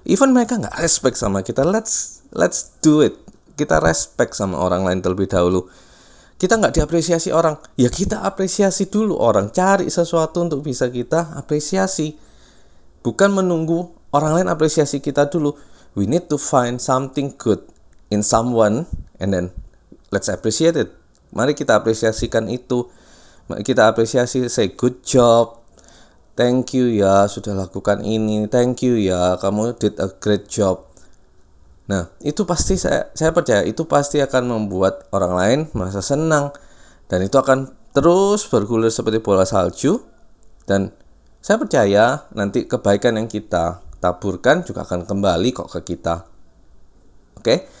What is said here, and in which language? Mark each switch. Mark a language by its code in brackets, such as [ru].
[en] Even [id] mereka nggak [en] respect [id] sama kita, [en] let's do it. [id] Kita respect sama orang lain terlebih dahulu. Kita nggak diapresiasi orang, ya kita apresiasi dulu orang. Cari sesuatu untuk bisa kita apresiasi. Bukan menunggu orang lain apresiasi kita dulu. [en] We need to find something good in someone and then let's appreciate it. [id] Mari kita apresiasikan itu. Mari kita apresiasi, [en] say good job. Thank you [id] ya sudah lakukan ini. [en] Thank you [id] ya, kamu [en] did a great job. [id] Nah, itu pasti saya percaya itu pasti akan membuat orang lain merasa senang dan itu akan terus bergulir seperti bola salju dan saya percaya nanti kebaikan yang kita taburkan juga akan kembali kok ke kita. Oke?